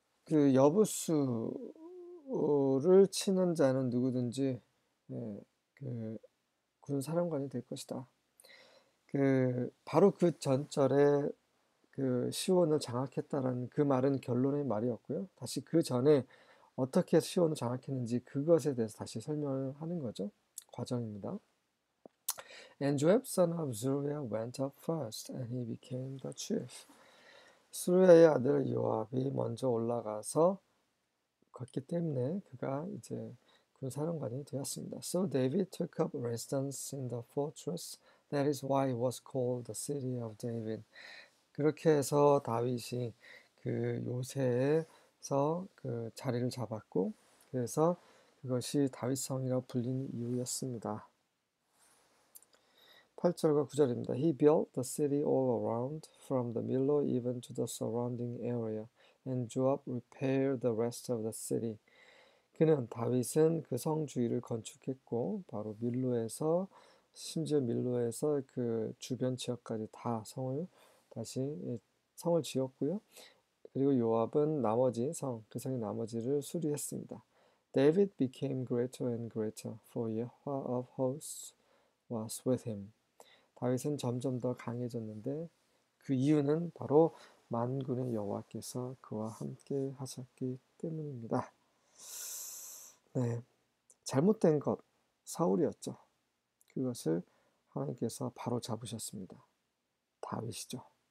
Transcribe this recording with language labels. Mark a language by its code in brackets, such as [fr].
[ko] 여부스를 치는 자는 누구든지 군 사령관이 될 것이다. 바로 그 전절에 시온을 장악했다라는 그 말은 결론의 말이었고요. 다시 그 전에 어떻게 시온을 장악했는지 그것에 대해서 다시 설명을 하는 거죠. 과정입니다. [en] And Joab son of Zeruiah went up first, and he became the chief. [ko] 스루야의 아들 요압이 먼저 올라가서 걷기 때문에 그가 이제 군사령관이 되었습니다. [en] So David took up residence in the fortress. That is why it was called the City of David. [ko] 그렇게 해서 다윗이 그 요새에서 그 자리를 잡았고, 그래서 그것이 다윗성이라고 불린 이유였습니다. 8절과 9절입니다. [en] He built the city all around, from the Millo even to the surrounding area, and Joab repaired the rest of the city. [ko] 그는 다윗은 그성 주위를 건축했고, 바로 밀로에서 심지어 밀로에서 그 주변 지역까지 다 성을 다시 성을 지었고요. 그리고 요압은 나머지 성, 그 성의 나머지를 수리했습니다. [en] David became greater and greater, for Yehovah of hosts was with him. [ko] 다윗은 점점 더 강해졌는데 그 이유는 바로 만군의 여호와께서 그와 함께 하셨기 때문입니다. 네, 잘못된 것, 사울이었죠. 그것을 하나님께서 바로 잡으셨습니다. 다윗이죠.